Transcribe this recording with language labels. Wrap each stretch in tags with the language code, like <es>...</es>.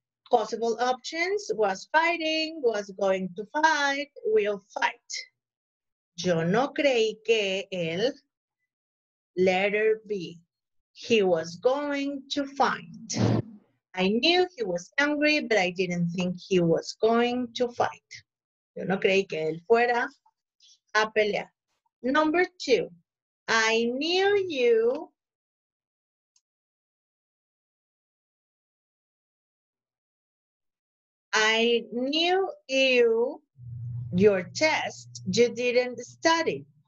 <en>Possible options, was fighting, was going to fight, will fight.</en> <es>Yo no creí que él,</es> <en>letter B, he was going to fight. I knew he was angry, but I didn't think he was going to fight.</en> <es>Yo no creí que él fuera a pelear.</es> <en>Number two, I knew you, your test, you didn't study.</en>